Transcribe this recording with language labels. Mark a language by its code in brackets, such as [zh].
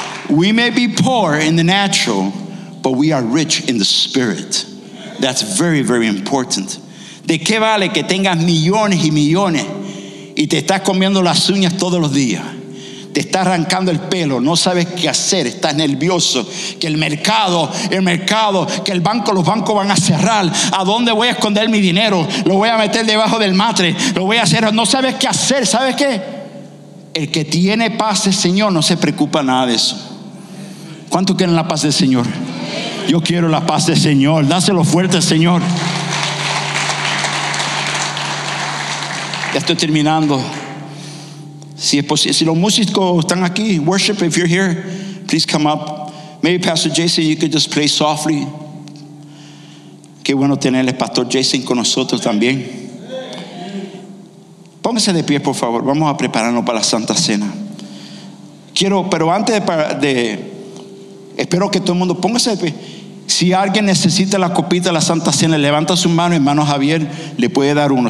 [en] We may be poor in the natural, but we are rich in the spirit. That's very, very important. [es] ¿De qué vale que tengas millones y millones y te estás comiendo las uñas todos los días? te está arrancando el pelo, no sabes qué hacer, estás nervioso, que el mercado, que el banco, los bancos van a cerrar, ¿a dónde voy a esconder mi dinero? ¿Lo voy a meter debajo del matre? ¿Lo voy a hacer? No sabes qué hacer, ¿sabes qué? El que tiene paz del Señor no se preocupa nada de eso. ¿Cuántos quieren la paz del Señor? Yo quiero la paz del Señor, dáselo fuerte al Señor. Ya estoy terminando. Si es posible, si los músicos están aquí, [en] worship, if you're here, please come up. Maybe Pastor Jason, you could just play softly. [es] Qué bueno tenerle Pastor Jason con nosotros también. Pónganse de pie, por favor. Vamos a prepararnos para la Santa Cena. Quiero, pero antes de espero que todo el mundo póngase de pie. Si alguien necesita la copita de la Santa Cena, levanta su mano, hermano Javier le puede dar uno.